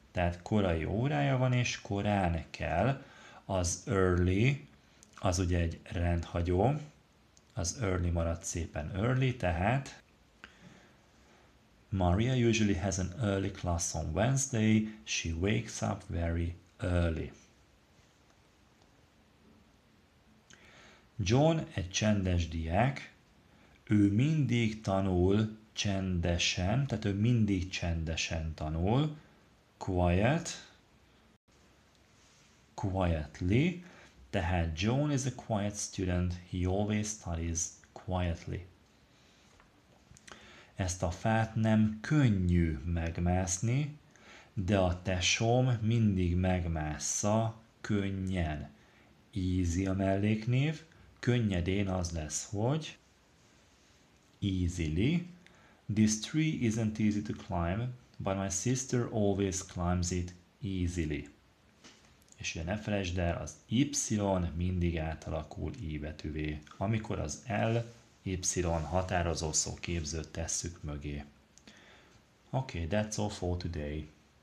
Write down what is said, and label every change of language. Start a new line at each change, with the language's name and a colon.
Hungarian: Tehát korai órája van, és korán kell. Az early, az ugye egy rendhagyó. Az early maradt szépen early, tehát
English: Maria usually has an early class on Wednesday. She wakes up very early.
Hungarian: John egy csendes diák. Ő mindig tanul csendesen, tehát ő mindig csendesen tanul.
English: Quiet, quietly, tehát John is a quiet student, he always studies quietly.
Hungarian: Ezt a fát nem könnyű megmászni, de a tesóm mindig megmássza könnyen. Easy a melléknév, könnyedén az lesz, hogy easily.
English: This tree isn't easy to climb, but my sister always climbs it easily.
Hungarian: És ugye ne felejtsd el, az Y mindig átalakul I betűvé, amikor az L, Y határozó szó képzőt tesszük mögé.
English: Okay, that's all for today.